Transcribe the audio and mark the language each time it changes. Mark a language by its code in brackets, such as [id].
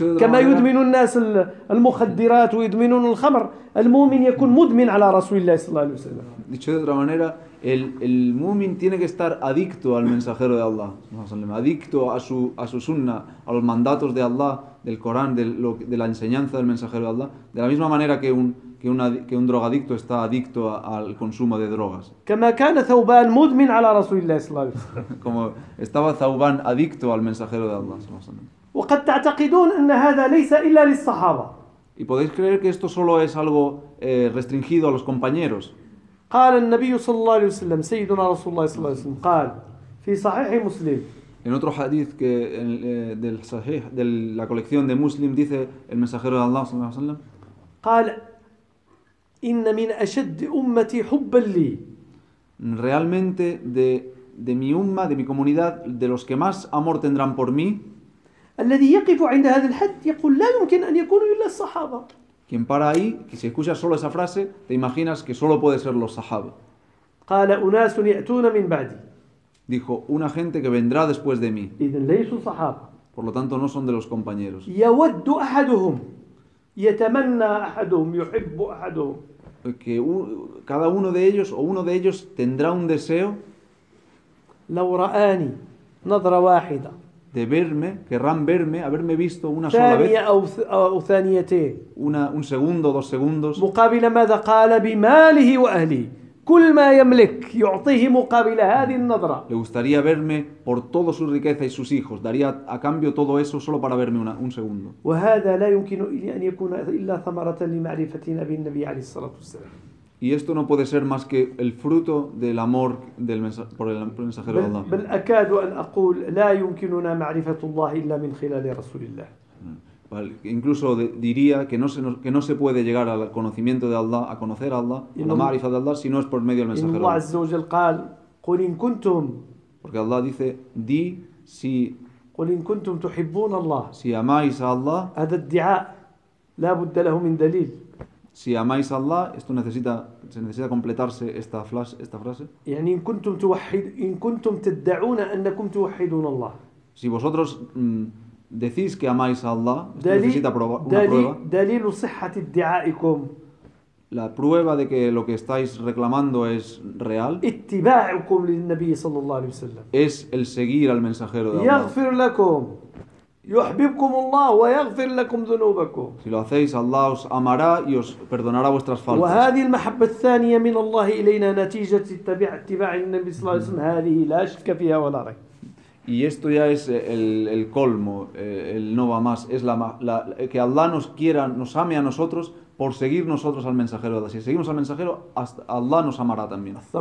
[ar] كما يدمن الناس المخدرات ويدمنون الخمر. المؤمن يكون مدمن على رسول الله صلى الله عليه وسلم. [es] Dicho de otra manera, el mu'min tiene que estar adicto al mensajero de Allah, adicto a su sunna, a los mandatos de Allah, del Corán, de la enseñanza del mensajero de Allah, de la misma manera que un drogadicto está adicto al consumo de drogas. Como estaba Thauban adicto al mensajero de Allah. Y podéis creer que esto solo es algo restringido a los compañeros. [ar] قال النبي صلى الله عليه وسلم سيدنا رسول الله صلى الله عليه وسلم قال في صحيح مسلم [es] En otro hadith que del Sahih, de la colección de Muslim, dice el mensajero de Allah [ar] sallallahu alaihi wasallam, قال إن من أشد أمتي حبا لي. [es] Realmente de mi umma, de mi comunidad, de los que más amor tendrán por mí. [ar] الذي يقف عند هذا الحد يقول لا يمكن أن يكون إلا الصحابة. [es] Quien para ahí, que si escuchas solo esa frase, te imaginas que solo puede ser los sahaba. [ar] قال أناس يأتون من بعدي. [es] Dijo una gente que vendrá después de mí. [ar] إذن ليسوا صحابة. [es] Por lo tanto, no son de los compañeros. [ar] يود أحدهم. يتمنى أحدهم يحب أحدهم. [es] Que cada uno de ellos o uno de ellos tendrá un deseo. [ar] لو رآني نظرة واحدة. [es] De verme, querrán verme, haberme visto una sola vez. [ar] أو ثانيتين. [es] Un segundo, dos segundos. [ar] مقابل ماذا قال بماله وأهله. كل ما يملك يعطيه مقابل هذه النظرة. [es] Le gustaría verme por toda su riqueza y sus hijos. Daría a cambio todo eso solo para verme un segundo. [ar] وهذا لا يمكن أن يكون إلا ثمرة لمعرفتنا بالنبي عليه الصلاة والسلام. [es] Y esto no puede ser más que el fruto del amor del por el mensajero de Allah. [ar] بل أكاد أن أقول لا يمكننا معرفة الله إلا من خلال رسول الله. [es] Incluso diría que no se puede llegar al conocimiento de Allah, a conocer a Allah, a la ma'rifa de Allah, si no es por medio del mensajero. [ar] Allah azza wa jal qal, قل إن كنتم. [es] Porque Allah dice, di si. [ar] قل إن كنتم تحبون الله. [es] Si amáis a Allah. [ar] هذا الدعاء لا بد له من دليل. [es] Si amáis a Allah, esto necesita, se necesita completarse esta frase. [ar] يعني إن كنتم توحد, إن كنتم تدعون أنكم توحدون الله. [es] Si vosotros decís que amáis a Allah, necesita probar una prueba. [ar] دليل صحة ادعائكم. [es] La prueba de que lo que estáis reclamando es real. [ar] اتباعكم للنبي صلى الله عليه وسلم. [es] Es el seguir al mensajero de [ar] Allah. يغفر لكم. يحببكم الله ويغفر لكم ذنوبكم. [es] Si lo hacéis, Allah os amará y os perdonará vuestras faltas. [ar] وهذه المحبة الثانية من الله إلينا نتيجة اتباع النبي صلى الله عليه وسلم هذه لا شك فيها ولا ريب. [es] Y esto ya es el colmo, el no va más, es que Allah nos quiera, nos ame a nosotros por seguir nosotros al mensajero. Si seguimos al mensajero, hasta Allah nos amará también.